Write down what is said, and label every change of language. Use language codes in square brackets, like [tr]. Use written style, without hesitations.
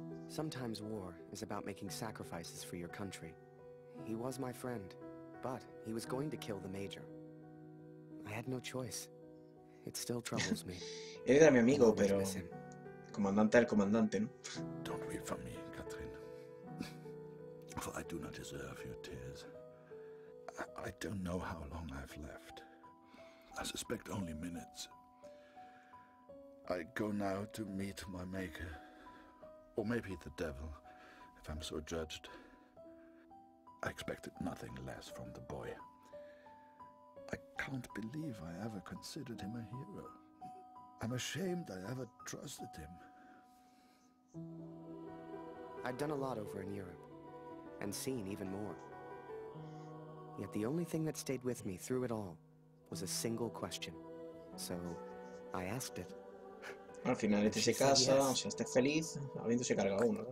[en] Sometimes war is about making sacrifices for your country. He was my friend, but he was going to kill the major. I had no choice. It still troubles me. [es] Él era mi amigo, pero comandante al comandante, ¿no? [en] Don't weep for me, Catherine. For I do not deserve your tears. I don't know how long I've left. I suspect only minutes. I go now to meet my maker. Or maybe the devil, if I'm so judged. I expected nothing less from the boy. I can't believe I ever considered him a hero. I'm ashamed I ever trusted him. I've done a lot over in Europe. And seen even more. Yet the only thing that stayed with me through it all was a single question. So I asked it. [es] Al final este se casa, o sea, esté feliz, habiéndose cargado uno.